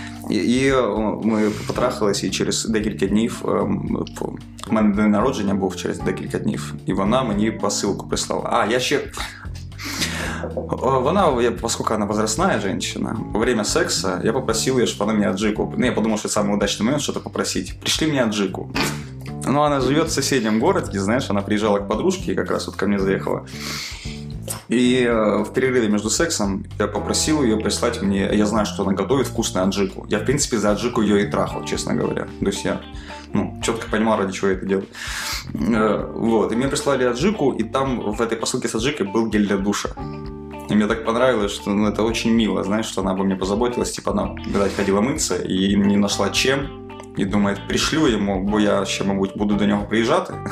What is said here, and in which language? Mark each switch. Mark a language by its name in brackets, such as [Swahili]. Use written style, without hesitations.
[Ukrainian] І ми потрахалися, і через декілька днів, у мене день народження був через декілька днів, і вона мені посилку прислала. А, я ще... Вона, оскільки вона возрастна жінка, во время секса я попросив її, щоб вона мені аджику... Ну, я подумав, що це найудачний момент, що-то попросити. Прийшли мені аджику. Ну, вона живе в сусідньому місті, знаєш, вона приїжджала до подружки, і якраз от ко мені заїхала. [Russian] И в перерыве между сексом я попросил ее прислать мне, я знаю, что она готовит вкусную аджику. Я, в принципе, за аджику ее и трахал, честно говоря. То есть я, ну, четко понимал, ради чего я это делаю. Вот, и мне прислали аджику, и там в этой посылке с аджикой был гель для душа. И мне так понравилось, что, ну, это очень мило, знаешь, что она обо мне позаботилась. Типа она, видать, ходила мыться и не нашла чем. [Ukrainian] І думає, пришлю йому, бо я ще, мабуть, буду до нього приїжджати.